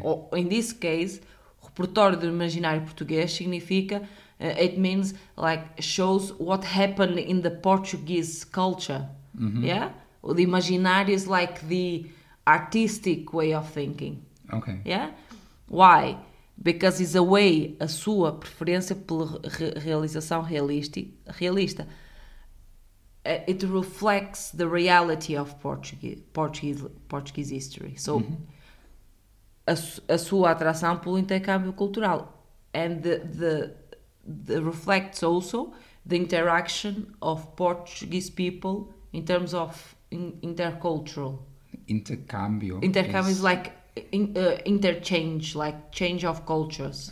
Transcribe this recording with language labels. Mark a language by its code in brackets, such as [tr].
[en] Or in this case, [pt] repertório do imaginário português significa [en] it means like shows what happened in the Portuguese culture. The imaginário is like the artistic way of thinking. Okay. Why? Because it's a way, [pt] a sua preferência pela realização realista. [en] It reflects the reality of Portuguese history. [pt] So, a sua atração pelo intercâmbio cultural. [en] And the reflects also the interaction of Portuguese people in terms of intercultural. [pt] Intercâmbio [en] is like interchange, like change of cultures.